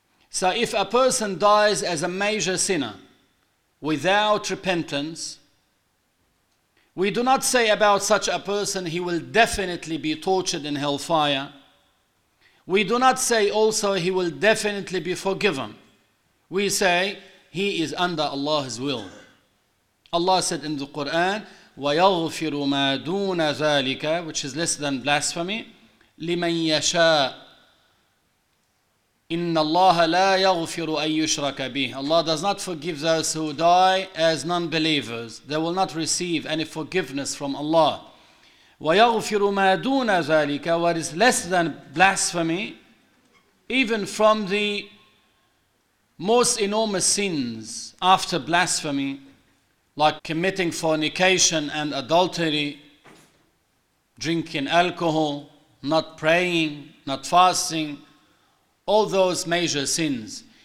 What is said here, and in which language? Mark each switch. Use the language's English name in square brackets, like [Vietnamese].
[English] So if a person dies as a major sinner, without repentance, we do not say about such a person he will definitely be tortured in hellfire. We do not say also he will definitely be forgiven. We say he is under Allah's will. Allah said in the Quran, [Arabic] ويغفر ما دون ذلك, [English] which is less than blasphemy, [Arabic] لمن يشاء. إن الله لا يغفر أن يشرك به. [English] Allah does not forgive those who die as non-believers. They will not receive any forgiveness from Allah. [Arabic] ويغفر ما دون ذلك, [English] what is less than blasphemy, even from the most enormous sins after blasphemy, like committing fornication and adultery, drinking alcohol, not praying, not fasting, all those major sins.